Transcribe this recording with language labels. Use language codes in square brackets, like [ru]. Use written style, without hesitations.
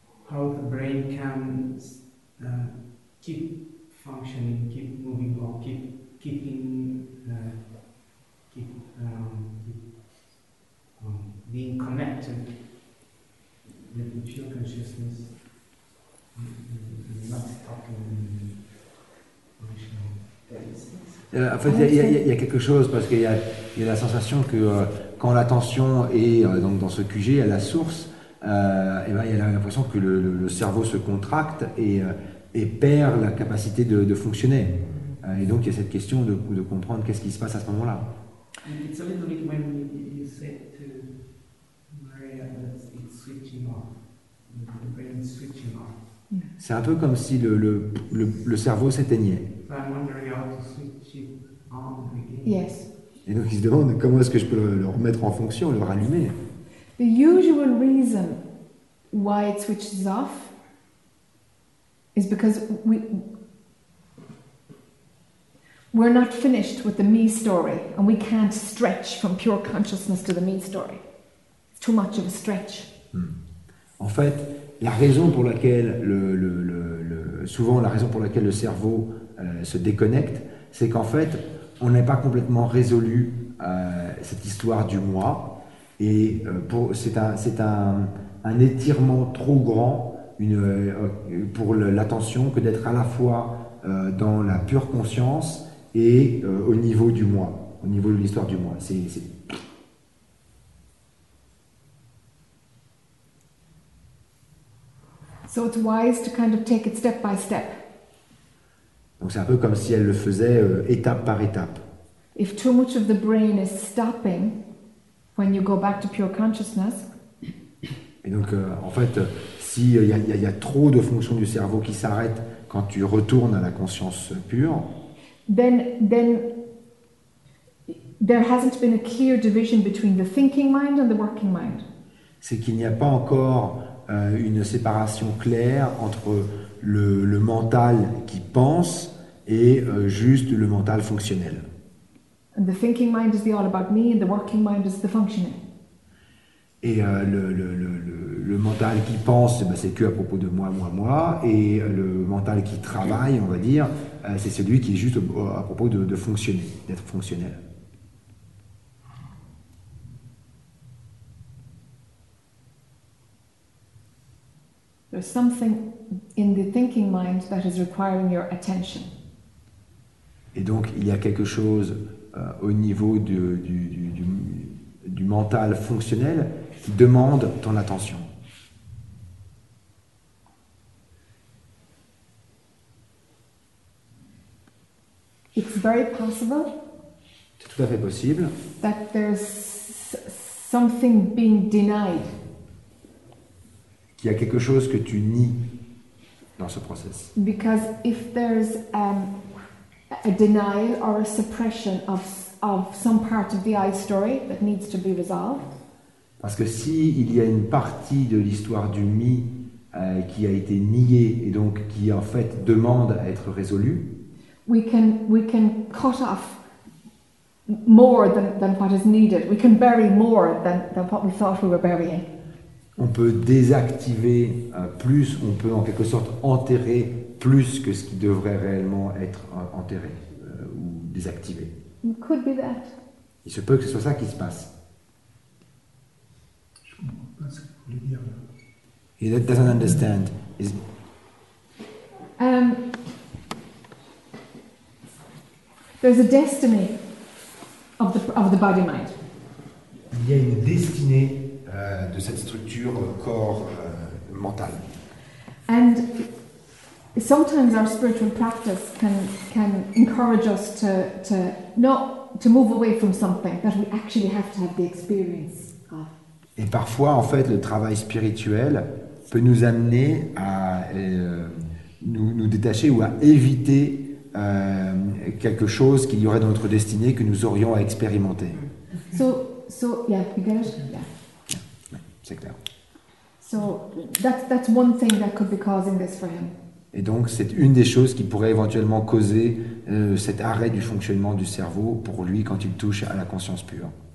[en] how the brain can keep functioning, keep moving or being connected with the pure consciousness, and not stopping the emotional tendencies. [fr] En fait, il y a quelque chose, parce qu'il y a la sensation que quand l'attention est donc dans ce QG, à la source, il y a l'impression que le cerveau se contracte et perd la capacité de fonctionner. Et donc il y a cette question de comprendre qu'est-ce qui se passe à ce moment-là. [en] It's a little bit when you said to Maria that it's switching off, the brain is switching off. [fr] C'est un peu comme si le cerveau s'éteignait. [en] So I'm wondering how to switch it on again. Yes. [fr] Et donc il se demande comment est-ce que je peux le remettre en fonction, le rallumer. [en] The usual reason why it switches off is because we're not finished with the me story, and we can't stretch from pure consciousness to the me story. It's too much of a stretch. [fr] En fait, la raison pour laquelle le cerveau se déconnecte, c'est qu'en fait, on n'est pas complètement résolu cette histoire du moi, et c'est un étirement trop grand pour l'attention que d'être à la fois dans la pure conscience et au niveau du moi, au niveau de l'histoire du moi. C'est... [en] So it's wise to kind of take it step by step. [fr] Donc c'est un peu comme si elle le faisait étape par étape. [en] If too much of the brain is stopping when you go back to pure consciousness. [fr] Et donc en fait, si il y a trop de fonctions du cerveau qui s'arrêtent quand tu retournes à la conscience pure. [en] Then there hasn't been a clear division between the thinking mind and the working mind. [fr] C'est qu'il n'y a pas encore une séparation claire entre le mental qui pense et juste le mental fonctionnel. [en] And the thinking mind is the all about me, and the working mind is the functioning. [fr] Et le mental qui pense, ben c'est que à propos de moi, et le mental qui travaille, on va dire, c'est celui qui est juste à propos de fonctionner, d'être fonctionnel. [en] There's something in the thinking mind that is requiring your attention. [fr] Et donc il y a quelque chose au niveau du mental fonctionnel qui demande ton attention. [en] It's very possible. [fr] C'est tout à fait possible. [en] That there's something being denied. [fr] Qu'il y a quelque chose que tu nies dans ce process. [en] Because if there's a denial or a suppression of some part of the I story that needs to be resolved. [fr] Parce que si il y a une partie de l'histoire du me qui a été niée et donc qui en fait demande à être résolue. [en] We can cut off more than what is needed. We can bury more than what we thought we were burying. [fr] On peut désactiver plus, on peut en quelque sorte enterrer plus que ce qui devrait réellement être enterré ou désactivé. [en] It could be that. [fr] Il se peut que ce soit ça qui se passe. Je comprends pas ce que vous voulez dire. [en] He doesn't understand. There's a destiny of the body mind. [fr] Il y a une destinée de cette structure corps mental. [en] And sometimes our spiritual practice can encourage us to move away from something that we actually have to have the experience of. [fr] Et parfois en fait le travail spirituel peut nous amener à nous détacher ou à éviter quelque chose qu'il y aurait dans notre destinée que nous aurions à expérimenter. [en] So yeah, you get it? Yeah. Yeah, [fr] c'est clair. [en] So that's one thing that could be causing this for him. [fr] Et donc c'est une des choses qui pourrait éventuellement causer cet arrêt du fonctionnement du cerveau pour lui quand il touche à la conscience pure.